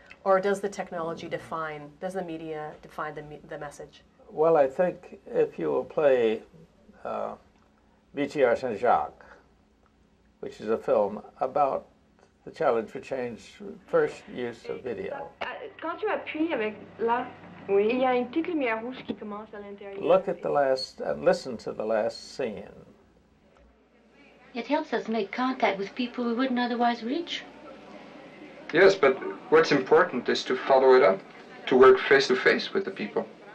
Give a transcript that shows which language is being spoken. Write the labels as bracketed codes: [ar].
[en] Or does the technology define, does the media define the message? Well, I think if you will play VTR Saint-Jacques, which is a film about the Challenge for Change, first use of video. [fr] Quand tu appuies avec là, il y a une petite lumière rouge qui commence à l'intérieur. [en] Look at the last, and listen to the last scene. It helps us make contact with people we wouldn't otherwise reach. Yes, but what's important is to follow it up, to work face to face with the people.